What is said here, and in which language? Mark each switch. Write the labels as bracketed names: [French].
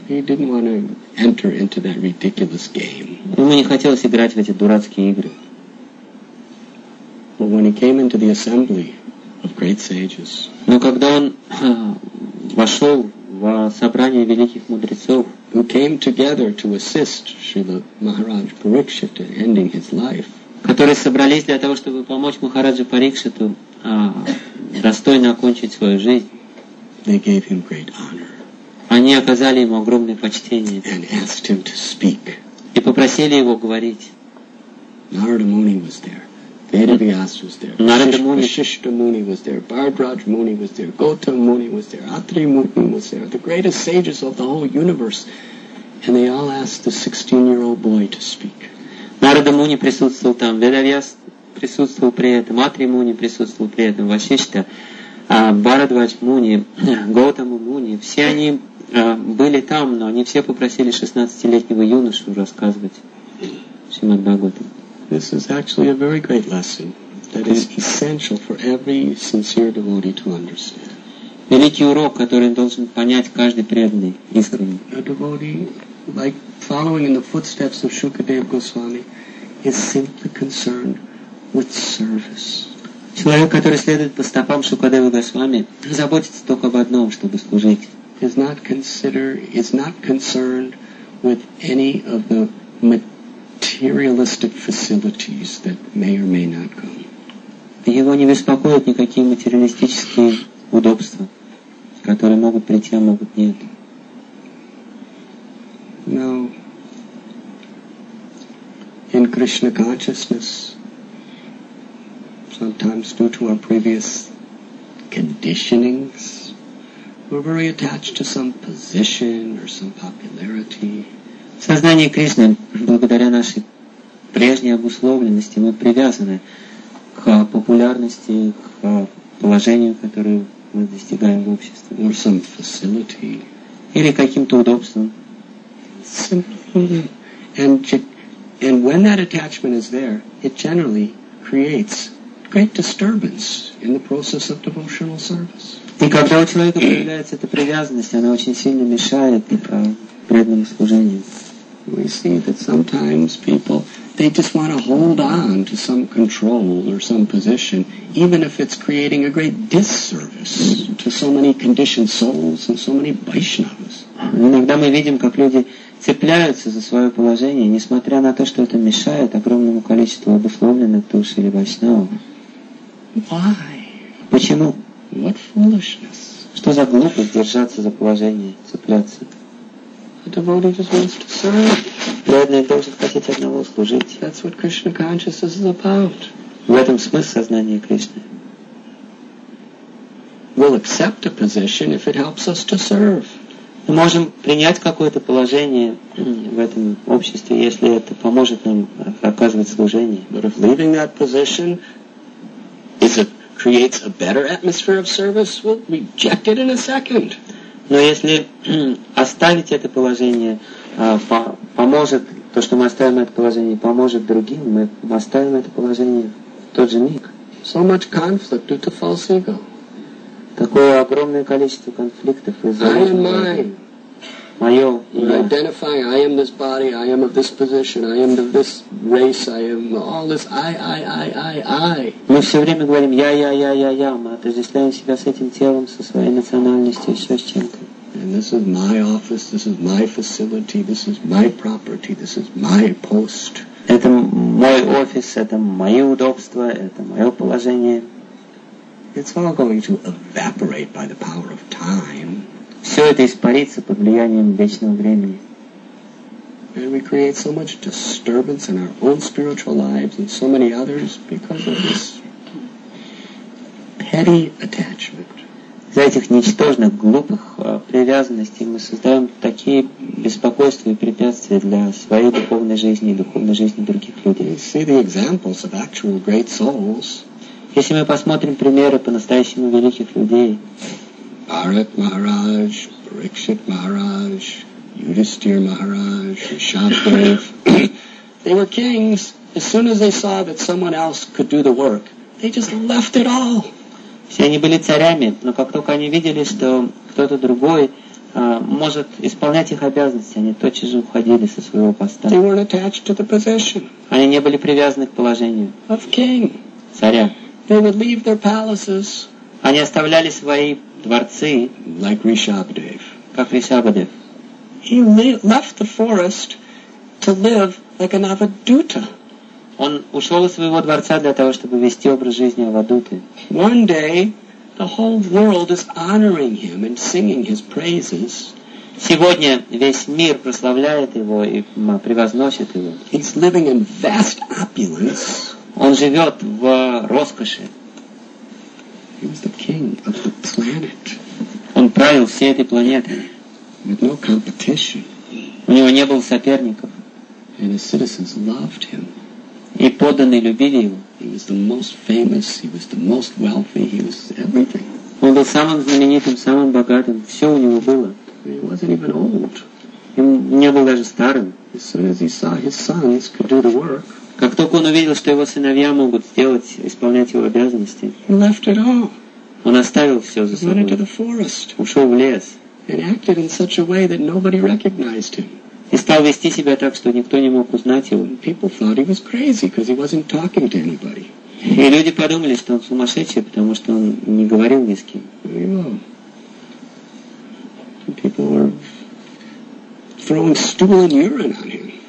[English] He didn't want to enter into that ridiculous game. [Russian] Ему не хотелось играть в эти дурацкие игры. [English] But when he came into the assembly of great sages, [Russian] но когда он вошел в собрание великих мудрецов, [English] who came together to assist Srila Maharaj Parikshit in ending his life, [Russian] которые собрались для того, чтобы помочь Махараджу Парикшиту достойно окончить свою жизнь. [English] They gave him great honor. [Russian] Они оказали ему огромное почтение. [English] And asked him to speak. [Russian] И попросили его говорить. [English] Narada Muni was there. Veda Vyas was there. Narada Muni. Vasishtha Muni was there. Bharadraj Muni was there. Gautam Muni was there. Atri Muni was there. The greatest sages of the whole universe. And they all asked the 16-year-old boy to speak. [Russian] Нарада Муни присутствовал там, Веда Вьяс присутствовал при этом, Атри Муни присутствовал при этом, Васишта, Бхарадвадж Муни, Гоутама Муни. Все они были там, но они все попросили 16-летнего юношу рассказывать Шримад Бхагаватам. [English] This is actually a very great lesson that is essential for every sincere devotee to understand. [Russian] Великий урок, который должен понять каждый преданный искренне. [English] A devotee, like following in the footsteps of Shukadev Goswami, is simply concerned with service. [Russian] Человек, который следует по стопам Шукадевы Госвами, заботится только об одном, чтобы служить. [English] Is not concerned with any of the materialistic facilities that may or may not come. [Russian] Его не беспокоят никакие материалистические удобства, которые могут прийти, а могут нет. [English] Now, in Krishna consciousness, sometimes due to our previous conditionings, we're very attached to some position or some popularity. [Russian] Сознание Кришны, благодаря нашей прежней обусловленности, мы привязаны к популярности, к положению, которое мы достигаем в обществе. [English] Or some facility. [Russian] Или каким-то удобством. [English] And when that attachment is there, it generally creates great disturbance in the process of devotional service. [Russian] И когда у человека появляется эта привязанность, она очень сильно мешает непосредного служения. [English] We see that sometimes people, they just want to hold on to some control or some position, even if it's creating a great disservice to so many conditioned souls and so many Vaishnavas. [Russian] Иногда мы видим, как люди цепляются за свое положение, несмотря на то, что это мешает огромному количеству обусловленных душ или Вайшнава. [English] Why? [Russian] Почему? [English] What foolishness? [Russian] Что за глупость держаться за положение, цепляться? [English] A devotee just wants to serve. That's what Krishna consciousness is about. [Russian] В этом смысл сознания Кришны. [English] We'll accept a position if it helps us to serve. [Russian] Мы можем принять какое-то положение в этом обществе, если это поможет нам оказывать служение. [English] But if leaving that position is it creates a better atmosphere of service, we'll reject it in a second. [Russian] Но если оставить это положение, поможет, то, что мы оставим это положение, поможет другим, мы оставим это положение в тот же миг. [English] So much conflict due to false ego. [Russian] Такое огромное количество конфликтов из-за [English] I am mine. [Russian] Мое. [English] You identify, I am this body, I am of this position, I am of this race, I am all this I. [Russian] Мы все время говорим я. Мы отождествляем себя с этим телом, со своей национальностью, еще с чем-то. [English] And this is my office, this is my facility, this is my property, this is my post. [Russian] Это мой офис, это мои удобства, это мое положение. [English] It's all going to evaporate by the power of time. [Russian] Все это испарится под влиянием вечного времени. [English] And we create so much disturbance in our own spiritual lives and so many others because of this petty attachment. [Russian] Из-за этих ничтожных, глупых привязанностей мы создаем такие беспокойства и препятствия для своей духовной жизни и духовной жизни других людей. [English] We see the examples of actual great souls. [Russian] Если мы посмотрим примеры по-настоящему великих людей, [English] Bharat Maharaj, Parikshit Maharaj, Yudhisthira Maharaj, Rishabdev. They were kings. As soon as they saw that someone else could do the work, they just left it all. [Russian] Все они были царями, но как только они видели, что кто-то другой может исполнять их обязанности, они тотчас же уходили со своего поста. [English] They weren't attached to the position. [Russian] Они не были привязаны к положению. [English] Of king. [Russian] Царя. [English] They would leave their palaces. [Russian] Они оставляли свои дворцы, [English] like Rishabdev. [Russian] Как Rishabdev. [English] He left the forest to live like an avaduta. [Russian] Он ушел из своего дворца для того, чтобы вести образ жизни авадуты. [English] One day, the whole world is honoring him and singing his praises. [Russian] Сегодня весь мир прославляет его и превозносит его. [English] He's living in vast opulence. [Russian] Он живет в роскоши. [English] He was the king of the planet. [Russian] Он правил всей этой планетой. [English] With no competition. [Russian] У него не было соперников. [English] And his citizens loved him. [Russian] И подданные любили его. [English] He was the most famous, he was the most wealthy, he was everything. [Russian] Он был самым знаменитым, самым богатым. Все у него было. [English] He wasn't even old. [Russian] Он не был даже старым. [English] As soon as he saw his sons could do the work. [Russian] Как только он увидел, что его сыновья могут сделать, исполнять его обязанности, [English] he left it all. [Russian] Он оставил все за собой. [English] He went into the forest. [Russian] Ушел в лес. [English] And acted in such a way that nobody recognized him. [Russian] И стал вести себя так, что никто не мог узнать его. [English] People thought he was crazy, because he wasn't talking to anybody. [Russian] И люди подумали, что он сумасшедший, потому что он не говорил ни с кем. [English] People were throwing stool and urine on him.